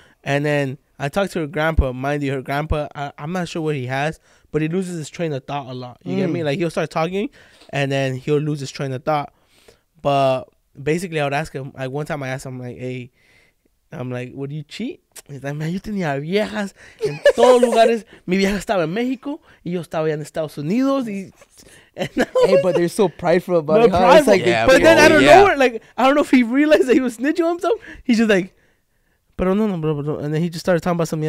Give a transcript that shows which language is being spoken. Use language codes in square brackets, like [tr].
[en] And then I talked to her grandpa. Mind you, her grandpa, I'm not sure what he has, but he loses his train of thought a lot. You get me? Like, he'll start talking and then he'll lose his train of thought. But basically, I would ask him, like, one time I asked him, like, hey, I'm like, would you cheat? He's like, man, [es] yo tenía viejas en todos lugares. Mi vieja estaba en México y yo estaba en Estados Unidos. [en] Hey, but they're so prideful about it. Prideful. It's like, yeah, but then I don't know where, like, I don't know if he realized that he was snitching on himself. He's just like, [es] pero no, no, [en] bro, bro. And then he just started talking about something.